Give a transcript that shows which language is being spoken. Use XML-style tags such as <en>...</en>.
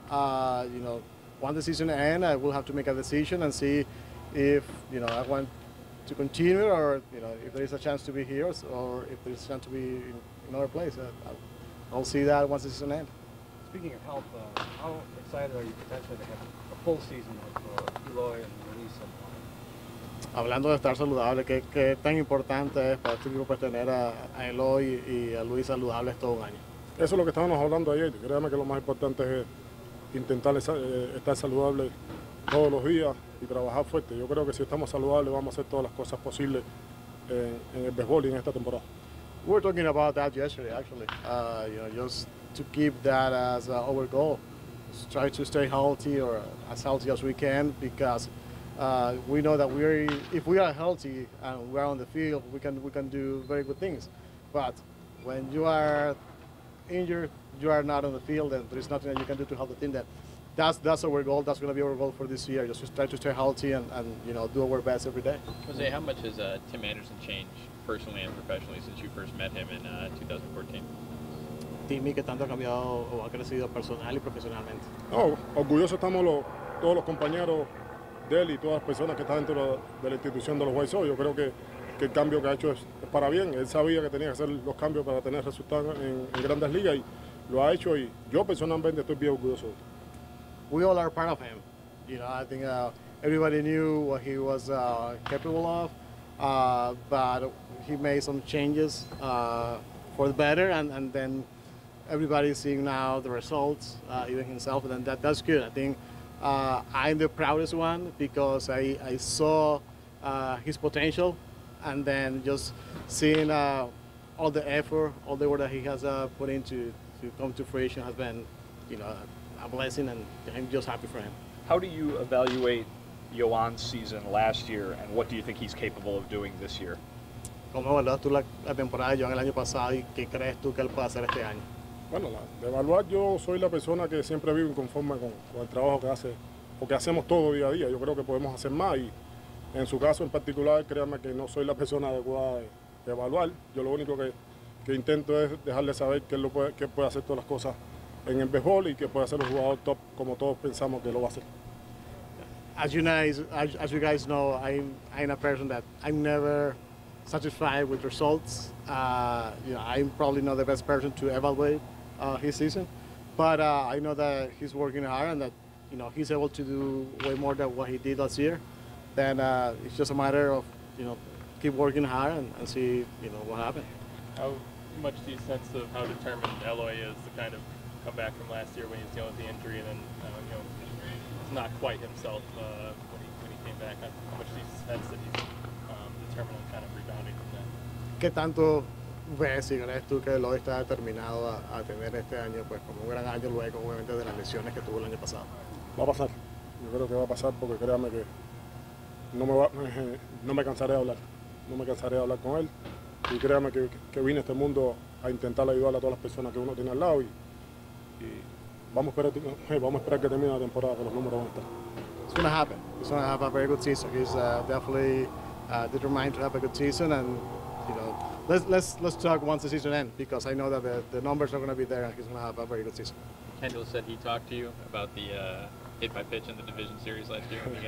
<en>You know, when the season ends, I will have to make a decision and see if, you know, I want to continue or, you know, if there is a chance to be here or if there's a chance to be in another place. I'll see that once the season ends. Speaking of health, how excited are you potentially to have a full season of Eloy and Jiménez?</en> <es>Hablando de estar saludable, ¿qué tan importante es para este grupo tener a Eloy y a Luis saludables todo un año? Eso es lo que estábamos hablando ayer. Créeme que lo más importante es intentar estar saludable todos los días y trabajar fuerte. Yo creo que si estamos saludables vamos a hacer todas las cosas posibles en el béisbol y en esta temporada.</es> <en>We were talking about that yesterday, actually. You know, just to keep that as our goal. Just try to stay healthy or as healthy as we can because we know that if we are healthy and we are on the field, we can do very good things. But when you are injured, you are not on the field, and there is nothing that you can do to help the team. That's our goal. That's going to be our goal for this year. Just try to stay healthy and you know, do our best every day. Jose, how much has Tim Anderson changed personally and professionally since you first met him in 2014?</en> <es>Timmy, ¿qué tanto ha cambiado o ha crecido personal y profesionalmente? No, orgulloso estamos todos los compañeros de él y todas las personas que están dentro de la institución de los White Sox. Yo creo que el cambio que ha hecho es para bien. Él sabía que tenía que hacer los cambios para tener resultados en Grandes Ligas y lo ha hecho y yo personalmente estoy bien orgulloso.</es> <en>We all are part of him. You know, I think everybody knew what he was capable of, but he made some changes for the better and then everybody is seeing now the results, even himself, and that's good. I think I'm the proudest one because I saw his potential and then just seeing all the effort, all the work that he has put in to come to fruition has been, you know, a blessing and I'm just happy for him. How do you evaluate Yoan's season last year and what do you think he's capable of doing this year?</en> <es>¿Cómo evaluas tú la temporada de Yoan el año pasado y qué crees tú que él puede hacer este año? Bueno, de evaluar yo soy la persona que siempre vive inconforme con el trabajo que hace, porque hacemos todo día a día. Yo creo que podemos hacer más y en su caso en particular, créanme que no soy la persona adecuada de evaluar. Yo lo único que intento es dejarle saber que puede hacer todas las cosas en el béisbol y que puede ser un jugador top como todos pensamos que lo va a ser.</es> <en>As you guys know, I'm a person that I'm never satisfied with results. You know, I'm probably not the best person to evaluate his season, but I know that he's working hard and that, you know, he's able to do way more than what he did last year. then it's just a matter of, you know, keep working hard and see, you know, what happens. How much do you sense of how determined Eloy is to kind of come back from last year when he's dealing with the injury and then, you know, he's not quite himself when he came back? How much do you sense that he's determined on kind of rebounding from that?</en> <es>¿Qué tanto ves y crees tú que Eloy está determinado a tener este año, pues, como un gran año luego, obviamente, de las lesiones que tuvo el año pasado? Va a pasar. Yo creo que va a pasar porque créame que no me cansaré de hablar. No me cansaré de hablar con él. Y créame que vine a este mundo a intentar ayudar a todas las personas que uno tiene al lado. Y vamos a esperar que termine la temporada, que los números van a estar.</es> <en>It's going to happen. He's going to have a very good season. He's definitely determined to have a good season. And, you know, let's talk once the season ends, because I know that the numbers are going to be there and he's going to have a very good season. Kendall said he talked to you about the hit by pitch in the division series last year.</en>